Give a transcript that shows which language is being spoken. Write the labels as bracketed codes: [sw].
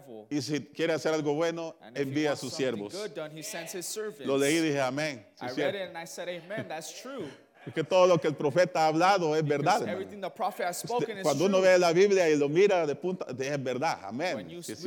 [es] Y si quiere hacer algo bueno, envía a sus siervos. Lo leí y dije, amén. [en] I read it and I said, amen, that's true. [es] Porque todo lo que el profeta ha hablado es verdad. Cuando uno ve la Biblia y lo mira de punta, es verdad, amén.